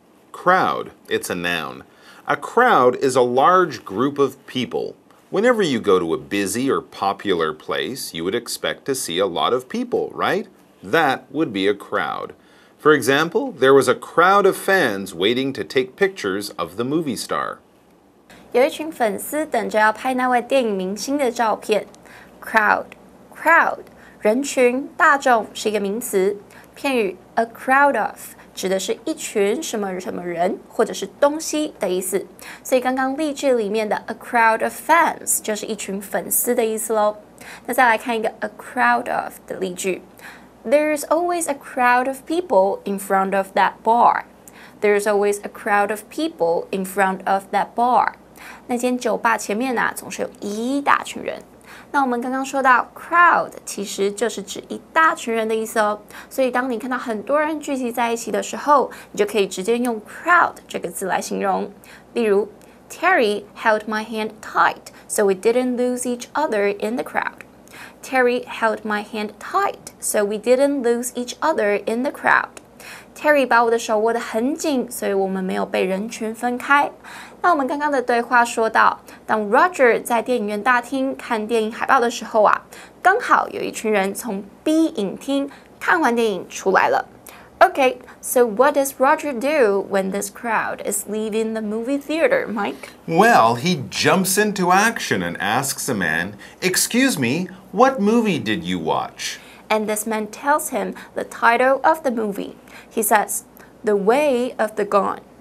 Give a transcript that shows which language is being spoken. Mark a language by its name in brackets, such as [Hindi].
[English] Crowd, it's a noun. A crowd is a large group of people. Whenever you go to a busy or popular place, you would expect to see a lot of people, right? That would be a crowd. For example, there was a crowd of fans waiting to take pictures of the movie star. [Chinese] 有一群粉丝等着要拍那位电影明星的照片。 Crowd, crowd, 人群、大众是一个名词。片语 a crowd of 指的是一群什么什么人或者是东西的意思。所以刚刚例句里面的 a crowd of fans 就是一群粉丝的意思咯。那再来看一个 a crowd of 的例句。 [English] There's always a crowd of people in front of that bar. There's always a crowd of people in front of that bar. [Chinese] 那间酒吧前面啊，总是有一大群人。那我们刚刚说到 crowd 其实就是指一大群人的意思哦。所以当你看到很多人聚集在一起的时候，你就可以直接用 crowd 这个字来形容。例如 [English] Terry held my hand tight so we didn't lose each other in the crowd. Terry held my hand tight, so we didn't lose each other in the crowd. [Chinese] Terry 把我的手握得很紧，所以我们没有被人群分开。那我们刚刚的对话说到，当 Roger 在电影院大厅看电影海报的时候啊，刚好有一群人从 B 影厅看完电影出来了。 [English] Okay, so what does Roger do when this crowd is leaving the movie theater, Mike? Well, he jumps into action and asks a man, "Excuse me,What movie did you watch? And this man tells him the title of the movie. He says, The Way of the Gun.